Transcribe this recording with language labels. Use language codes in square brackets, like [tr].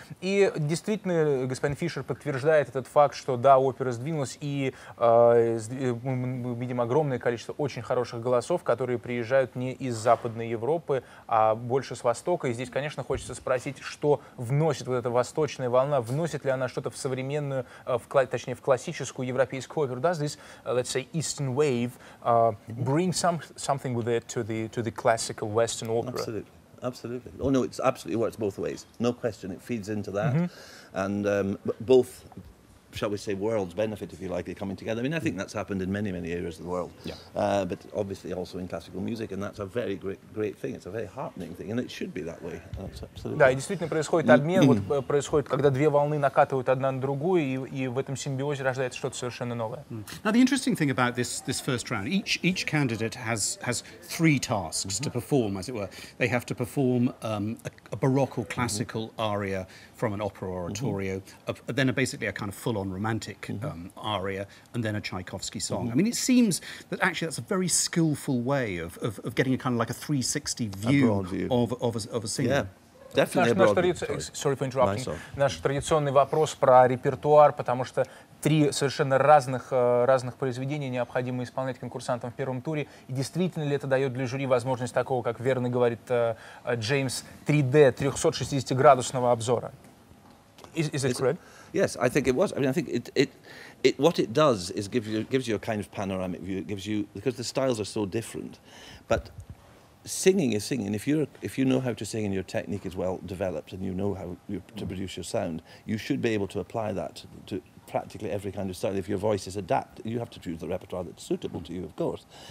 [ru] И действительно, господин Фишер подтверждает этот факт, что да, опера сдвинулась, и мы видим огромное количество очень хороших голосов, которые приезжают не из Западной Европы, а больше с Востока. И здесь, конечно, хочется спросить, что вносит вот эта восточная волна, вносит ли она что-то в современную, в классическую европейскую оперу. [en] Does this, let's say, Eastern wave bring something with it to the classical Western opera? Absolutely. Oh no, it's absolutely works both ways. No question, it feeds into that. Mm-hmm. And both, shall we say, worlds benefit, if you like, they're coming together. I mean, I think that's happened in many, many areas of the world. Yeah. But obviously also in classical music, and that's a very great thing. It's a very heartening thing, and it should be that way. That's absolutely. [ru] Да, и действительно происходит обмен, вот происходит, когда две волны накатывают одна на другую, и в этом симбиозе рождается что-то совершенно новое. [en] Now, the interesting thing about this first round, each candidate has three tasks mm-hmm. to perform, as it were. They have to perform a baroque or classical mm-hmm. aria from an opera or oratorio, mm-hmm. then basically a kind of full-on romantic mm-hmm. Aria, and then a Tchaikovsky song. Mm-hmm. I mean, it seems that actually that's a very skillful way of getting a kind of like a 360 view of a singer. Yeah. Definitely [ru] наш [en] sorry for interrupting. [ru] Наш традиционный вопрос про репертуар, потому что три совершенно разных произведения необходимо исполнять конкурсантам в первом туре. И действительно ли это дает для жюри возможность такого, как верно говорит Джеймс, 3D, 360-градусного обзора? [en] Is it correct? Yes, I think it was. I mean, I think it what it does is gives you a kind of panoramic view. It gives you, because the styles are so different, but singing is singing. If you know how to sing and your technique is well developed and you know how to produce your sound, you should be able to apply that to practically every kind of style. If your voice is adapted, you have to choose the repertoire that's suitable to you, of course.